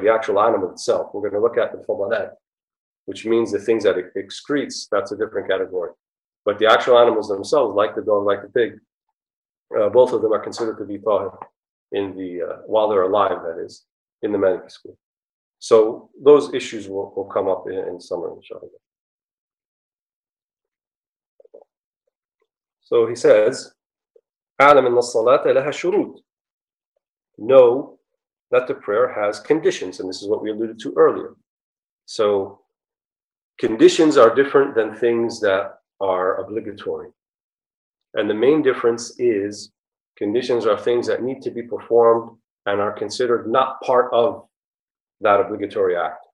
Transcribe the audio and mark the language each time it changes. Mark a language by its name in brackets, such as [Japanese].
[English] The actual animal itself. We're going to look at the fadalat, which means the things that it excretes, that's a different category. But the actual animals themselves, like the dog, like the pig, both of them are considered to be tahir in the, while they're alive, that is, in the Maliki school. So those issues will come up in summer, inshallah. So he says, [Arabic] أَعْلَمْ إِنَّ الصَّلَاةَ لَهَا شُرُوطٌ. [English] Know that the prayer has conditions, and this is what we alluded to earlier. So conditions are different than things that are obligatory. And the main difference is conditions are things that need to be performed and are considered not part of that obligatory act.